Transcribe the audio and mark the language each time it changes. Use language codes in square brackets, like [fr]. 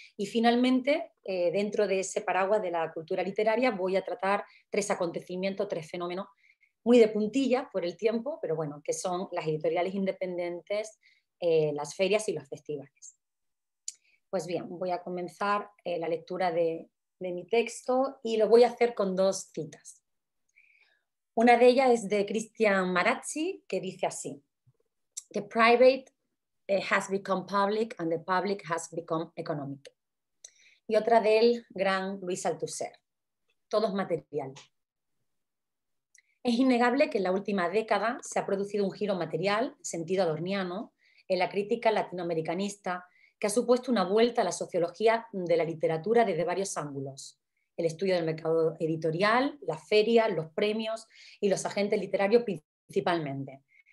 [es] Y finalmente, dentro de ese paraguas de la cultura literaria, voy a tratar tres acontecimientos, tres fenómenos muy de puntilla por el tiempo, pero bueno, que son las editoriales independientes, las ferias y los festivales. Pues bien, voy a comenzar la lectura de mi texto y lo voy a hacer con dos citas. Una de ellas es de Christian Marazzi, que dice así: [en] "The private has become public and the public has become economic." [es] Y otra de él, gran Luis Althusser: "Todo es material." Es innegable que en la última década se ha producido un giro material, sentido adorniano, en la crítica latinoamericanista, que ha supuesto una vuelta a la sociología de la literatura desde varios ángulos: el estudio del mercado editorial, las ferias, los premios y los agentes literarios principalmente.